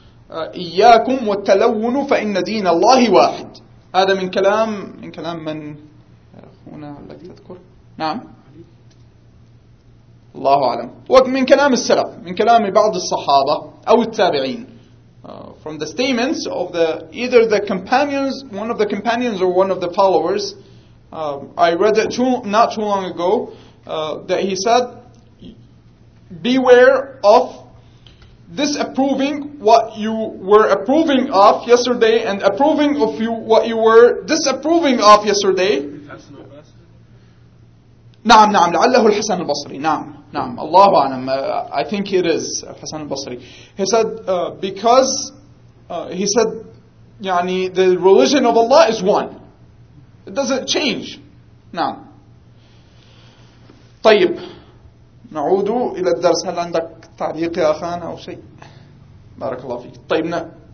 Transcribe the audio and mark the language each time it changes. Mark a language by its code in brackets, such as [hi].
[ar] إياكم والتلون فإن دين الله واحد. هذا من كلام من أخونا الذي تذكر. نعم. الله أعلم. ومن كلام السلف, من كلام بعض الصحابة أو التابعين. [en] From the statements of one of the companions or one of the followers, I read it not too long ago, that he said, beware of disapproving what you were approving of yesterday and approving of you what you were disapproving of yesterday. [ar] نعم نعم لعله الحسن البصري. نعم نعم الله أعلم. [en] I think it is الحسن البصري. He said because he said يعني the religion of Allah is one, it doesn't change. [ar] نعم. طيب نعود إلى الدرس. هل عندك تعليق يا أخانا أو شيء؟ بارك الله فيك. طيب نعم.